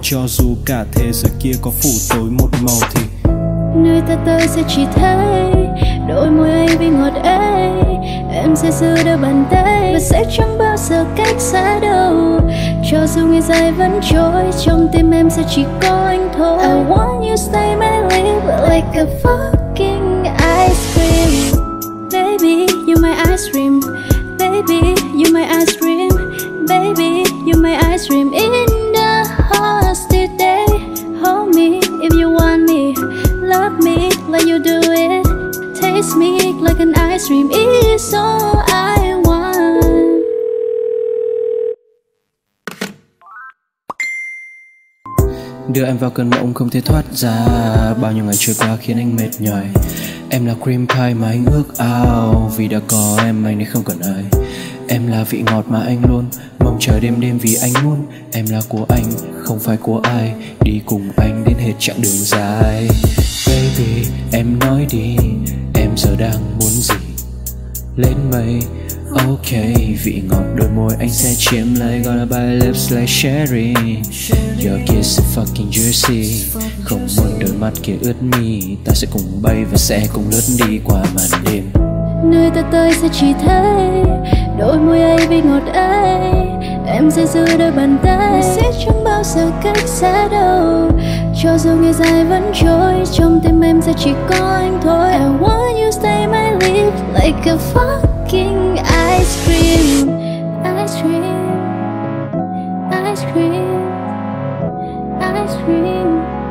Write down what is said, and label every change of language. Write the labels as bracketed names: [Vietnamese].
[Vietnamese] Cho dù cả thế giới kia có phủ tối một màu thì nơi ta tới sẽ chỉ thấy đôi môi anh vì ngọt ấy. Em sẽ giữ đôi bàn tay và sẽ chẳng bao giờ cách xa đâu. Cho dù ngày dài vẫn trôi, trong tim em sẽ chỉ có anh thôi. [English] I want you stay my lips like a fucking ice cream. Baby, you're my ice cream. Baby, you're my ice cream. Baby, you're my ice cream. In the hottest day, hold me if you want me. Love me like you do it. Taste me like an ice cream. It's all I want. [Vietnamese] Đưa em vào cơn mộng không thể thoát ra. Bao nhiêu ngày trôi qua khiến anh mệt nhòi. Em là cream pie mà anh ước ao. Vì đã có em anh nên không cần ai. Em là vị ngọt mà anh luôn mong chờ đêm đêm vì anh muốn. Em là của anh, không phải của ai. Đi cùng anh đến hết chặng đường dài. Baby, em nói đi, em giờ đang muốn gì? Lên mây, ok. Vị ngọt đôi môi anh sẽ chiếm lấy. [English] Gonna buy lips like sherry. Your kiss is fucking juicy. [Vietnamese] Không muốn đôi mắt kia ướt mi. Ta sẽ cùng bay và sẽ cùng lướt đi qua màn đêm. Nơi ta tới sẽ chỉ thấy đôi môi ấy vị ngọt ấy. Em sẽ giữ đôi bàn tay, sẽ chẳng bao giờ cách xa đâu. Cho dù ngày dài vẫn trôi, trong tim em sẽ chỉ có anh thôi. [English] I want you stay my lips like a fucking ice cream. Ice cream, ice cream, ice cream.